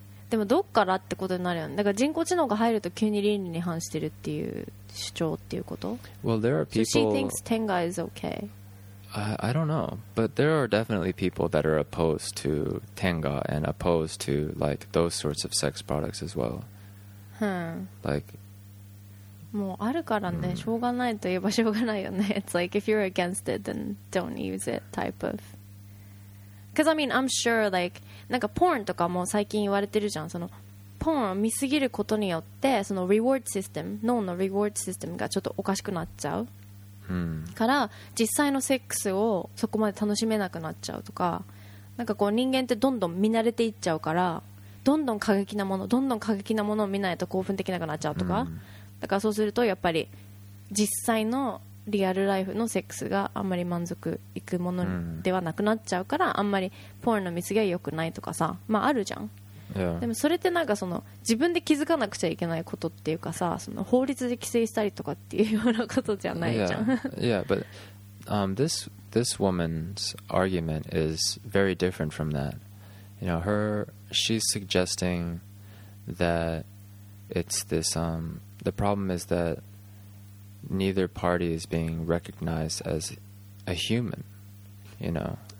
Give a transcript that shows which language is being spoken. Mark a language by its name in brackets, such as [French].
[Japanese] でもどっからってことになるよね。だから人工知能が入ると急に倫理に反してるっていう主張っていうこと。 [English] Well, there are people... So she thinks Tenga is okay. I don't know, but there are definitely people that are opposed to Tenga and opposed to like those sorts of sex products as well. Like, [Japanese] もうあるからね、しょうがないといえばしょうがないよね。 [English] It's like if you're against it, then don't use it type of. Because I mean, I'm sure like [Japanese] なんかポーンとかも最近言われてるじゃん。そのポーンを見すぎることによってそのリワードシステム、脳のリワードシステムがちょっとおかしくなっちゃう。から実際のセックスをそこまで楽しめなくなっちゃうとか、なんかこう人間ってどんどん見慣れていっちゃうから、どんどん過激なもの、どんどん過激なものを見ないと興奮できなくなっちゃうとか、だからそうするとやっぱり実際のリアルライフのセックスがあんまり満足いくものではなくなっちゃうから、あんまりポーンの見すぎは良くないとかさ、まああるじゃん。 [English] Yeah. [Japanese] でもそれってなんかその自分で気づかなくちゃいけないことっていうかさ、その法律で規制したりとかっていうようなことじゃないじゃん。 [English] Yeah, but this woman's argument is very different from that. You know, she's suggesting that it's this, the problem is that neither party is being recognized as a human, you know.